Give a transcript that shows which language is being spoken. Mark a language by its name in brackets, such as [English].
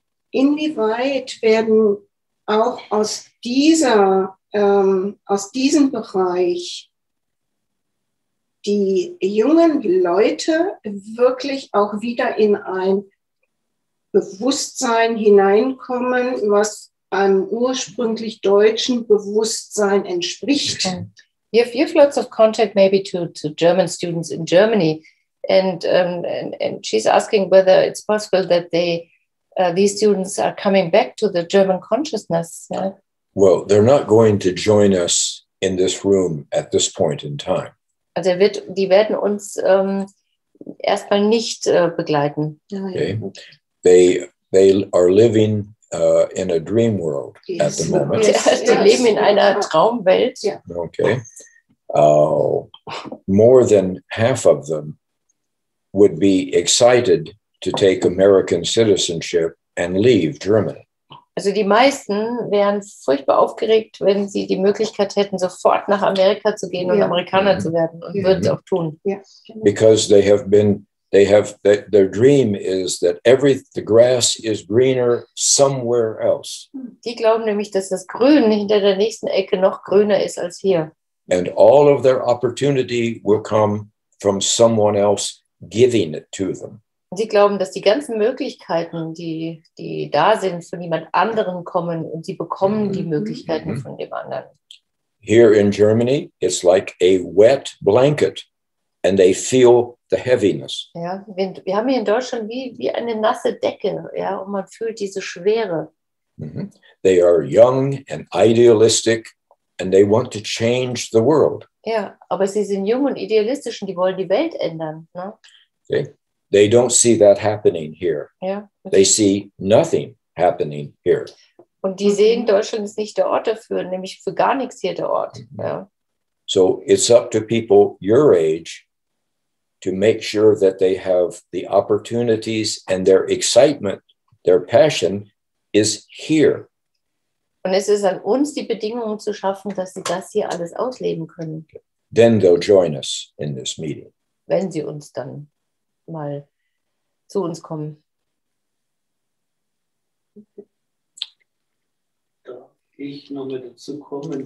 [German] Inwieweit werden auch aus diesem Bereich die jungen Leute wirklich auch wieder in ein Bewusstsein hineinkommen, was einem ursprünglich deutschen Bewusstsein entspricht? [English] Okay. You have lots of contact maybe to German students in Germany, and she's asking whether it's possible that these students are coming back to the German consciousness. Yeah? Well, they're not going to join us in this room at this point in time. [German] Also die werden uns erstmal nicht begleiten. [English] Okay. They are living in a dream world at the moment. [German] Die leben in einer Traumwelt. [English] Yeah. Okay. More than half of them would be excited to take American citizenship and leave Germany. [German] Also die meisten wären furchtbar aufgeregt, wenn sie die Möglichkeit hätten, sofort nach Amerika zu gehen und Amerikaner zu werden, und würden es auch tun. [English] Because their dream is that the grass is greener somewhere else. [German] Die glauben nämlich, dass das Grün hinter der nächsten Ecke noch grüner ist als hier. [English] And all of their opportunity will come from someone else giving it to them. [German] Sie glauben, dass die ganzen Möglichkeiten, die da sind, von jemand anderen kommen, und sie bekommen die Möglichkeiten von dem anderen. [English] Here in Germany, it's like a wet blanket, and they feel the heaviness. [German] Ja, wir haben hier in Deutschland wie eine nasse Decke, ja, und man fühlt diese Schwere. [English] Mm-hmm. They are young and idealistic. And they want to change the world. [German] Ja, aber sie sind jung und idealistisch und die wollen die Welt ändern, ne? [English] Okay. They don't see that happening here. [German] Ja. [English] They see nothing happening here. [German] Und die sehen, Deutschland ist nicht der Ort dafür, nämlich für gar nichts hier der Ort. Ja. [English] So it's up to people your age to make sure that they have the opportunities and their excitement, their passion is here. [German] Und es ist an uns, die Bedingungen zu schaffen, dass sie das hier alles ausleben können. [English] Then they'll join us in this meeting. [German] Wenn sie uns dann mal zu uns kommen. Darf ich nochmal dazu kommen?